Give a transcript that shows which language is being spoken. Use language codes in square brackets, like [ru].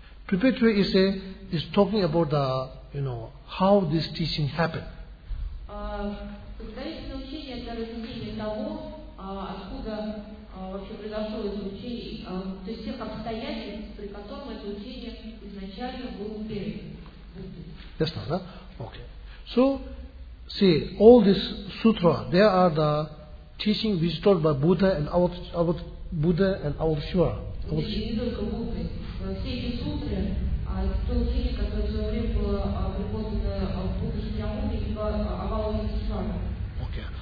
[en] Preparatory is talking about the, you know, how this teaching happened. [ru] Подготовительное учение – это разъяснение того, откуда вообще произошло это учение, то есть тех обстоятельств, при котором это учение изначально было первым. Ясно, да? Окей. [en] So, see, all these sutra, they are the teaching which is taught by Buddha and our Buddha and our Shiva. Okay.